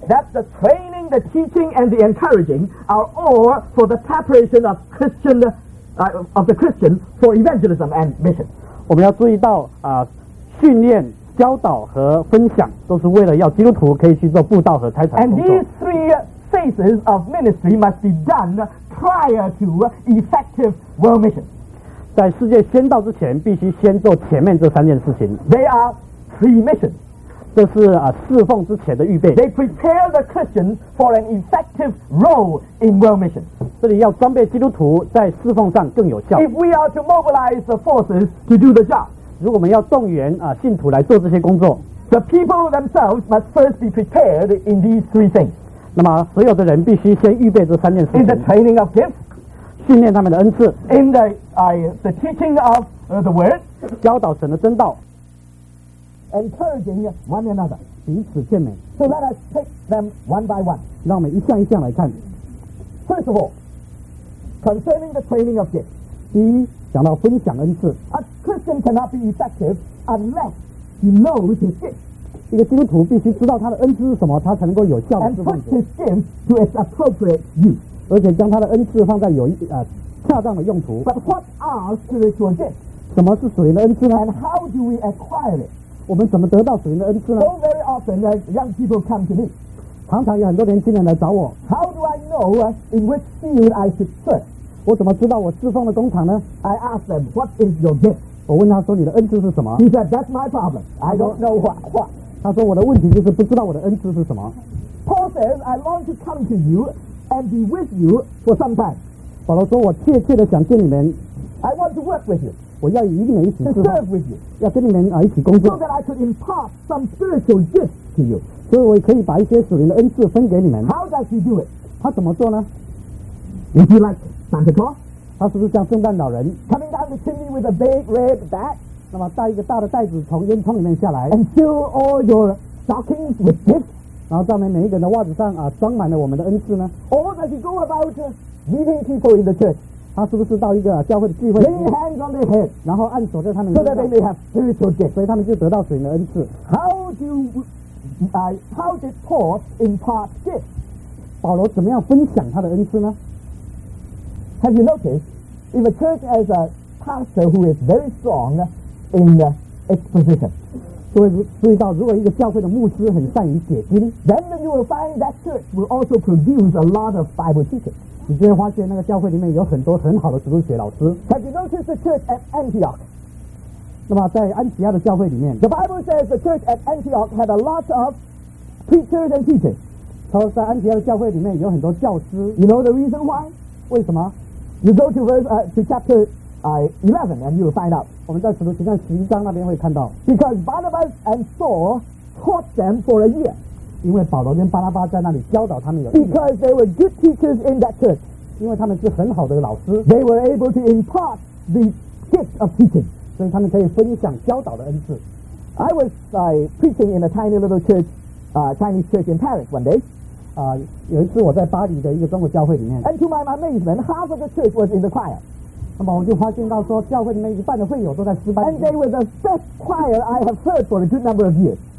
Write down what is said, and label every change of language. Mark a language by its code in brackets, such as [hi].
[en] that the training, the teaching, and the encouraging are all for the preparation of Christian,of the Christian for evangelism and mission. [zh] 我们要注意到、训练教导和分享都是为了要基督徒可以去做布道和差传工作。 [en] And these three phases of ministry must be done prior to effective world mission. [zh] 在世界宣道之前必须先做前面这三件事情。 [en] They are pre-mission. [zh] 这是、侍奉之前的预备。 [en] They prepare the Christians for an effective role in world mission. [zh] 这里要装备基督徒在侍奉上更有效。 [en] If we are to mobilize the forces to do the job, [zh] 如果我们要动员、信徒来做这些工作， [en] The people themselves must first be prepared in these three things. [zh] 那么所有的人必须先预备这三件事情。 [en] In the training of gifts, [zh] 训练他们的恩赐。 [en] In the teaching of the word, [zh] 教导神的真道。 [en] Encouraging one another, [zh] 彼此劝勉。 [en] So let us take them one by one. [zh] 让我们一项一项来看。 [en] First of all, concerning the training of gifts. [zh] 第一，讲到分享恩赐。 [en] A Christian cannot be effective unless he knows his gift. [zh] 一个基督徒必须知道他的恩赐是什么，他才能够有效的释放。 [en] And put his gift to its appropriate use. [zh] 而且将他的恩赐放在有恰当的用途。 [en] But what are spiritual gifts? [zh] 什么是属灵的恩赐呢？ [en] And how do we acquire it? [zh] 我们怎么得到属灵的恩赐呢？ [en] So very often that young people come to me. [zh] 常常有很多年轻人来找我。 [en] How do I know in which field I should search? [zh] 我怎么知道我侍奉的工厂呢？ [en] I asked them, what is your gift? [zh] 我问他说你的恩赐是什么？ [en] He said, that's my problem. I don't know what. [zh] 他说我的问题就是不知道我的恩赐是什么。 [en] Paul says, I long to come to you and be with you for some time. [zh] 保罗说我切切的想见你们。 [en] I want to work with you. [zh] 我要与你们一起侍奉。 [en] To serve with you. [zh] 要跟你们、一起工作。 [en] So that I could impart some spiritual gifts to you. [zh] 所以我可以把一些属灵的恩赐分给你们。 [en] How does he do it? [zh] 他怎么做呢？ [en] Is he like Santa Claus? [zh] 他是不是像圣诞老人？ [en] Coming down the chimney with a big red bat. [zh] 那么带一个大的袋子从烟囱里面下来。 [en] And fill all your stockings with gifts. [zh] 然后在每一个人的袜子上装满了我们的恩赐呢？ [en] Or does he go about meeting people in the church? [zh] 他是不是到一个教会的聚会 [en] lay hands on their head [zh] 然后按手在他们 [en] so that they may have spiritual gifts [zh] 所以他们就得到水的恩赐 [en] how did Paul impart gifts [zh] 保罗怎么样分享他的恩赐呢 [en] have you noticed if a church has a pastor who is very strong in the exposition [zh] 所以注意到如果一个教会的牧师很善于解经 [en] then you will find that church will also produce a lot of Bible teachers [zh] 你就会发现那个教会里面有很多很好的主日学老师 [en] Have you noticed the church at Antioch? [zh] 那么在安提亚的教会里面 [en] The Bible says the church at Antioch had a lot of preachers and teachers [zh] 他说在安提亚的教会里面有很多教师 [en] You know the reason why? [zh] 为什么 [en] You go to chapter 11 and you will find out [zh] 我们在使徒行传十一章那边会看到 [en] Because Barnabas and Saul taught them for a year [zh] 因为保罗跟巴拉巴在那里教导他们有 [en] Because they were good teachers in that church [zh] 因为他们是很好的老师 [en] They were able to impart the gift of teaching [zh] 所以他们可以分享教导的恩赐 [en] I was preaching in a tiny little church Chinese church in Paris one day [zh] 有一次我在巴黎的一个中国教会里面 [en] And to my amazement, half of the church was in the choir [zh] 那么我就发现到说教会里面一半的会友都在诗班 [en] And they were the best choir I have heard for a good number of years